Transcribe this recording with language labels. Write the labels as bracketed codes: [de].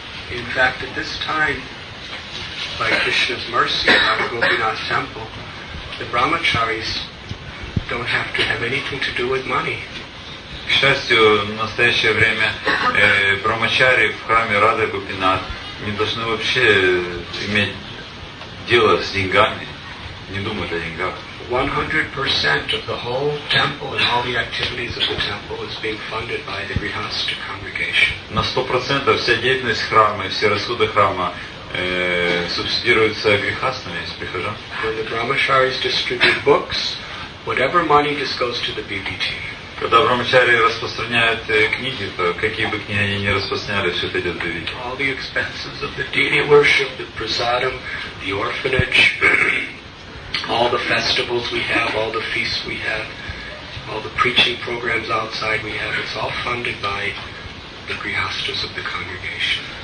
[en] In fact, at this time, by Krishna's mercy, at Gopinath temple, the brahmacharis don't have to have anything to do with money. [ru] К счастью, в настоящее время брахмачари в храме Рады Гопинат не должны вообще иметь дело с деньгами, не думать о деньгах. [en] 100% of the whole temple and all the activities of the temple is being funded by the Grihastha congregation. [ru] На 100% вся деятельность храма и все расходы храма субсидируются грихастами, из прихожан. [en] When the brahmacharis distribute books, whatever money just goes to the BBT. [ru] Когда брахмачари распространяют книги, то какие бы книги они ни распространяли, все это идет в BBT. [en] All the expenses of the deity worship, the prasadam, the orphanage, all the festivals we have, all the feasts we have, all the preaching programs outside we have, it's all funded by the grihasthas of the congregation.